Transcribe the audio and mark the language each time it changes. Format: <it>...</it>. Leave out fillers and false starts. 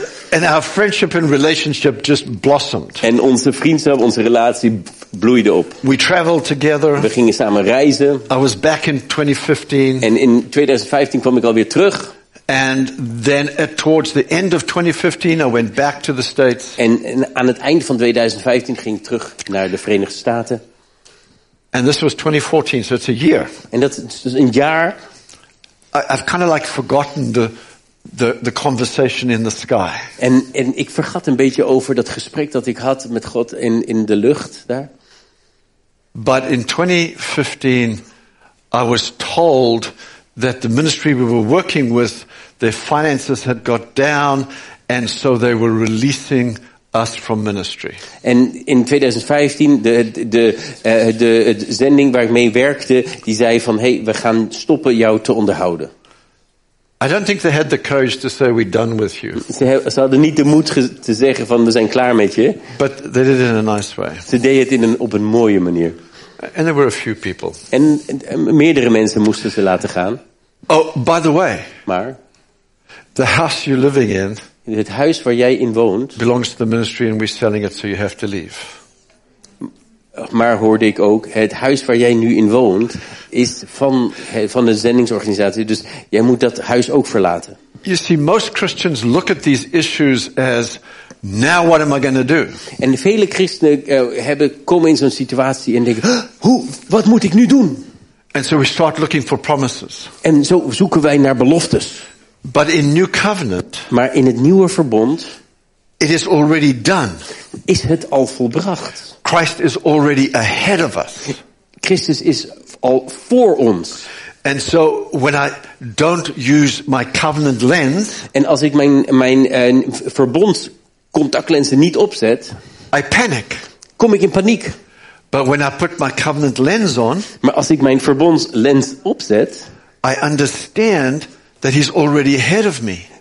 <en>And our friendship and relationship just blossomed.</en> <nl>En onze vriendschap, onze relatie bloeide op.</nl> <en>We traveled together.</en> <nl>We gingen samen reizen.</nl> <en>I was back in 2015.</en> <nl>En in 2015 kwam ik alweer terug.</nl> <en>And then at towards the end of 2015 I went back to the States.</en> <nl>En aan het eind van 2015 ging ik terug naar de Verenigde Staten.</nl> <en>And this was 2014, so it's a year.</en> <nl>En dat is dus een jaar.</nl> <en>I've kind of like forgotten the conversation in the sky.</en> <nl>En ik vergat een beetje over dat gesprek dat ik had met God in de lucht daar.</nl> <en>But in 2015 I was told that the ministry we were working with, their finances had got down and so they were releasing us from ministry.</en> <nl>En in 2015 de zending waar ik mee werkte, die zei van hey, we gaan stoppen jou te onderhouden.</nl> <en>I don't think they had the courage to say we're done with you.</en> <nl>Ze hadden niet de moed te zeggen van we zijn klaar met je.</nl> <en>But they did it in a nice way.</en> <nl>Ze deden het op een mooie manier.</nl> <en>And there were a few people.</en> <nl>En meerdere mensen moesten ze laten gaan.</nl> <en>Oh, by the way.</en> <nl>Maar</nl> <en>the house you're living in,</en> <nl>het huis waar jij in woont,</nl> <en>belongs to the ministry and we're selling it, so you have to leave.</en> <nl>Maar hoorde ik ook, het huis waar jij nu in woont is van de zendingsorganisatie, dus jij moet dat huis ook verlaten.</nl> <en>You see, most Christians look at these issues as now what am I going to do?</en> <nl>En vele christenen komen in zo'n situatie en denken, wat moet ik nu doen?</nl> <en>And so we start looking for promises.</en> <nl>En zo zoeken wij naar beloftes.</nl> <en>But in New Covenant,</en> <nl>maar in het nieuwe verbond,</nl> <en>it is already done.</en> <nl>Is het al volbracht?</nl> <en>Christ is already ahead of us.</en> <nl>Christus is al voor ons.</nl> <en>And so when I don't use my covenant lens,</en> <nl>en als ik mijn verbondscontactlenzen niet opzet,</nl> <en>I panic.</en> <nl>Kom ik in paniek.</nl> <en>But when I put my covenant lens on,</en> <nl>maar als ik mijn verbondslens opzet,</nl> <en>I understand that he's already ahead of me.</en>